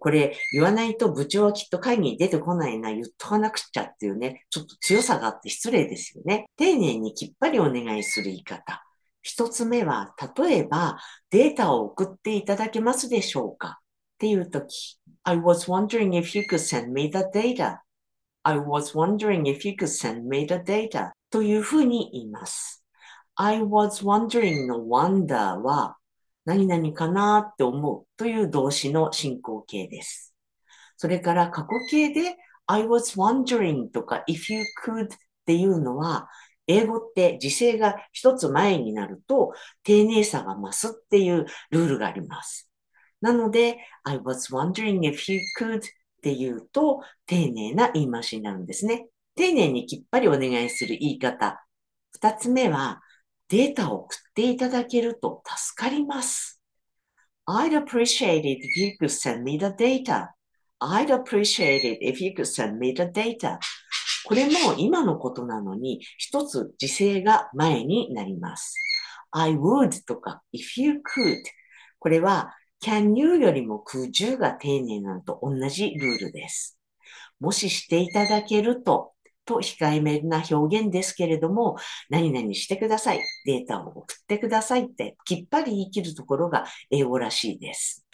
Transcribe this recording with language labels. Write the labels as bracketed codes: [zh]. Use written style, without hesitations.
[ja] これ言わないと部長はきっと会議に出てこないな、言っとかなくちゃっていうね、ちょっと強さがあって失礼ですよね。丁寧にきっぱりお願いする言い方。一つ目は、例えばデータを送っていただけますでしょうかっていうとき。 [en] I was wondering if you could send me the data. I was wondering if you could send me the data. [ja] というふうに言います。 [en] I was wondering [ja] の wonder は、何々かなーって思うという動詞の進行形です。それから過去形で [en] I was wondering [ja] とか [en] if you could [ja] っていうのは、英語って時制が一つ前になると丁寧さが増すっていうルールがあります。なので [en] I was wondering if you could [ja] っていうと丁寧な言い回しになるんですね。丁寧にきっぱりお願いする言い方。二つ目はデータを送っていただけると助かります。 [en] I'd appreciate it if you could send me the data. I'd appreciate it if you could send me the data. [ja] これも今のことなのに、一つ時制が前になります。 [en] I would [ja] とか [en] if you could、 [ja] これは [en] can you [ja] よりも [en] could you [ja] が丁寧なのと同じルールです。もししていただけるとと控えめな表現ですけれども、何々してください、データを送ってくださいってきっぱり言い切るところが英語らしいです。